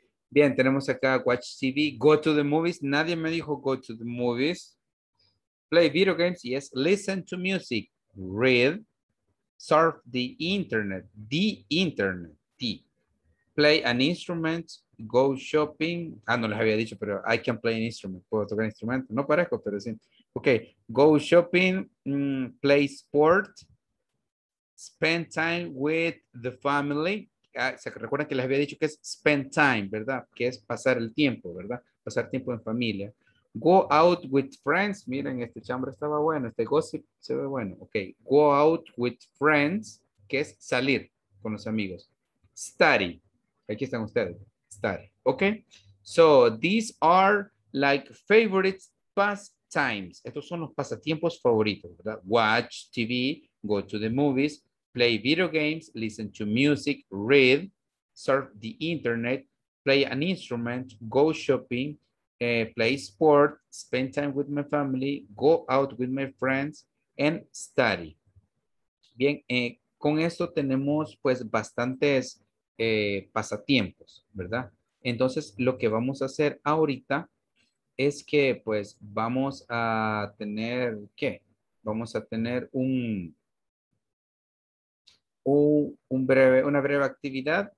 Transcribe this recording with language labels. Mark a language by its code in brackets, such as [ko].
[es] Bien, tenemos acá [en] watch TV. Go to the movies. [es] Nadie me dijo [en] go to the movies. Play video games. Yes, listen to music. Read. Surf the internet. The internet. Play an instrument, go shopping. [es] Ah, no les había dicho, pero [en] I can play an instrument. [es] Puedo tocar instrumento. No parezco, pero sí. [en] Ok, go shopping, play sport, spend time with the family. [es] Ah, ¿se recuerdan que les había dicho que es [en] spend time, [es] verdad? Que es pasar el tiempo, ¿verdad? Pasar tiempo en familia. [en] Go out with friends. [es] Miren, este chambre estaba bueno. Este gossip se ve bueno. [en] Ok, go out with friends, [es] que es salir con los amigos. Study. Aquí están ustedes. [en] Study. Okay. So these are like favorite pastimes. [es] Estos son los pasatiempos favoritos, ¿verdad? [en] Watch TV, go to the movies, play video games, listen to music, read, surf the internet, play an instrument, go shopping, play sport, spend time with my family, go out with my friends, and study. [es] Bien, con esto tenemos pues bastantes pasatiempos, ¿verdad? Entonces, lo que vamos a hacer ahorita es que, pues, vamos a tener, ¿qué? Vamos a tener una breve actividad.